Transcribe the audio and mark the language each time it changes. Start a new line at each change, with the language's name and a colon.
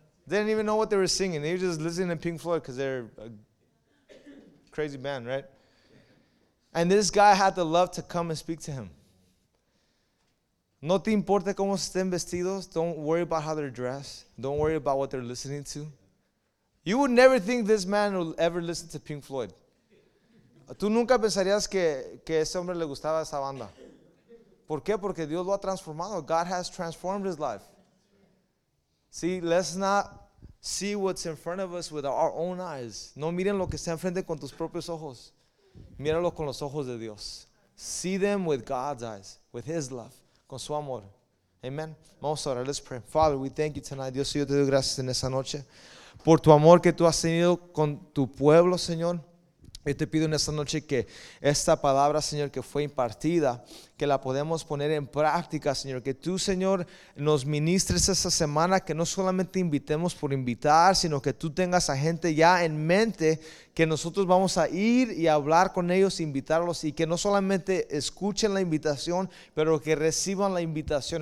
English: They didn't even know what they were singing. They were just listening to Pink Floyd because they're a crazy band, right? And this guy had the love to come and speak to him.
Spanish: No te importa cómo estén vestidos.
English: Don't worry about how they're dressed. Don't worry about what they're listening to. You would never think this man would ever listen to Pink Floyd.
Spanish: Tú nunca pensarías que ese hombre le gustaba esa banda. ¿Por qué? Porque Dios lo ha transformado.
English: God has transformed his life. See, let's not see what's in front of us with our own eyes.
Spanish: No miren lo que está enfrente con tus propios ojos. Míralo con los ojos de Dios.
English: See them with God's eyes, with his love.
Spanish: Con su amor.
English: Amen.
Spanish: Vamos a orar.
English: Let's pray. Father, we thank you tonight.
Spanish: Dios, yo te doy gracias en esa noche por tu amor que tú has tenido con tu pueblo, Señor. Yo te pido en esta noche que esta palabra, Señor, que fue impartida, que la podemos poner en práctica, Señor. Que tú, Señor, nos ministres esta semana, que no solamente invitemos por invitar, sino que tú tengas a gente ya en mente que nosotros vamos a ir y hablar con ellos, invitarlos, y que no solamente escuchen la invitación, pero que reciban la invitación.